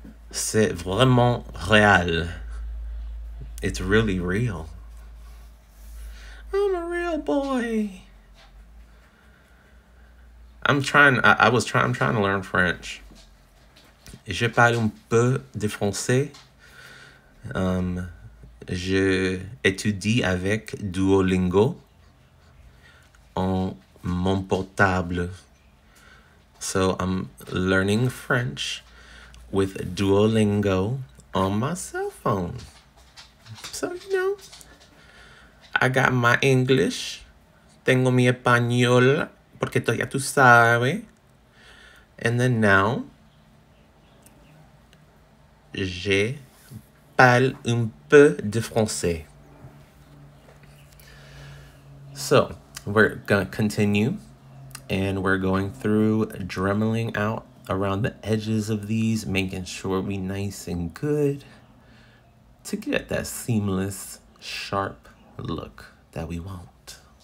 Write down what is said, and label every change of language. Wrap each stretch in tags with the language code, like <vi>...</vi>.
<fr>C'est vraiment real.</fr> <en>It's really real. I'm a real boy. I'm trying to learn French.</en> <fr>Je parle un peu de français. Je étudie avec Duolingo en mon portable.</fr> <en>So I'm learning French with Duolingo on my cell phone. So, you know, I got my English.</en> <es>Tengo mi español, porque ya tú sabes.</es> <en>And then now,</en> <fr>je parle un peu de français.</fr> <en>So, we're going to continue. And we're going through dremeling out around the edges of these, making sure we're nice and good to get that seamless, sharp look that we want.</en>